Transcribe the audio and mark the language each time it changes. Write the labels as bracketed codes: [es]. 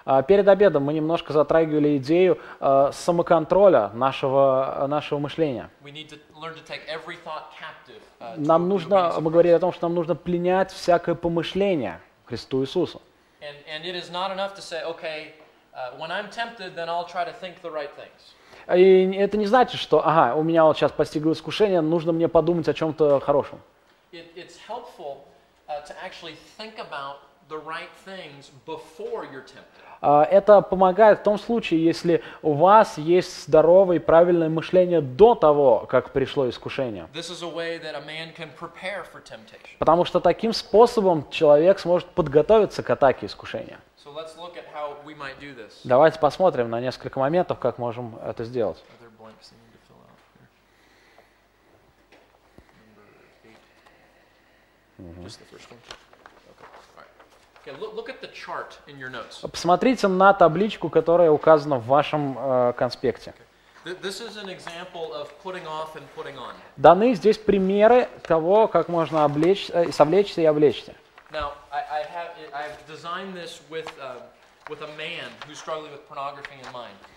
[ru] Перед обедом мы немножко затрагивали идею самоконтроля нашего мышления. [en] We need to learn to take every thought captive. [ru] Нам нужно, мы говорили о том, что нам нужно пленять всякое помышление Христу Иисусу. [en] And it is not enough to say, okay, when I'm tempted, then I'll try to think the right things. [ru] И это не значит, что, ага, у меня вот сейчас постигло искушение, нужно мне подумать о чем-то хорошем. [en] It's helpful to actually think about the right things before you're tempted. [ru] Это помогает в том случае, если у вас есть здоровое и правильное мышление до того, как пришло искушение. [en] This is a way that a man can prepare for temptation. [ru] Потому что таким способом человек сможет подготовиться к атаке искушения. [en] So let's look at how we might do this. [ru] Давайте посмотрим на несколько моментов, как можем это сделать. [en] Are there blanks you need to fill out here? Number eight. Just the first one. Okay, look at the chart in your notes. [ru] Посмотрите на табличку, которая указана в вашем конспекте. [en] Okay. This is an example of putting off and putting on. [ru] Даны здесь примеры того, как можно совлечься и облечься. [en] Now, I've designed this with a man who's struggling with pornography in mind.